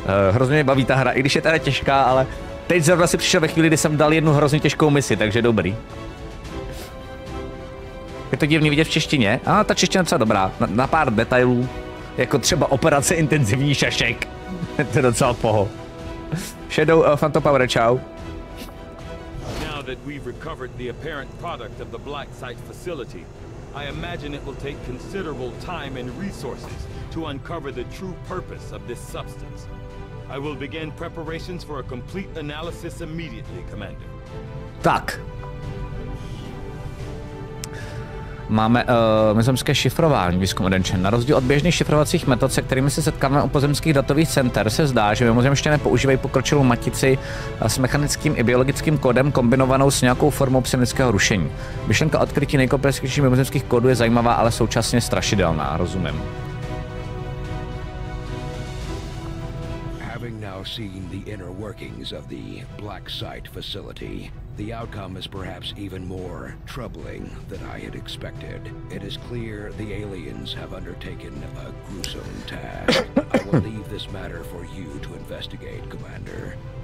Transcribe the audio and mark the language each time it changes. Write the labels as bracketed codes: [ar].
[cs] Hrozně mě baví ta hra, i když je teda těžká, ale... Teď zrovna si přišel ve chvíli, kdy jsem dal jednu hrozně těžkou misi, takže dobrý. Je to divný vidět v češtině? A ta čeština je docela dobrá. Na pár detailů, jako třeba operace intenzivní šašek. To je docela poho. Shadow Phantom Power, čau. [en] Now that we've recovered the apparent product of the Black Site facility, I imagine it will take considerable time and resources to uncover the true purpose of this substance. I will begin preparations for a complete analysis immediately, Commander. [cs] Tak. Máme mezemské šifrování, výzkum Edenčen. Na rozdíl od běžných šifrovacích metod, se kterými se setkáme u pozemských datových center, se zdá, že mimozemštěné používají pokročilou matici s mechanickým i biologickým kódem kombinovanou s nějakou formou psionického rušení. Myšlenka odkrytí nejkomplexnějších mimozemských kódů je zajímavá, ale současně strašidelná, rozumím. [en] Seen the inner workings of the Black Site facility. The outcome is perhaps even more troubling than I had expected. It is clear the aliens have undertaken a gruesome task. I will leave this matter for you to investigate, Commander.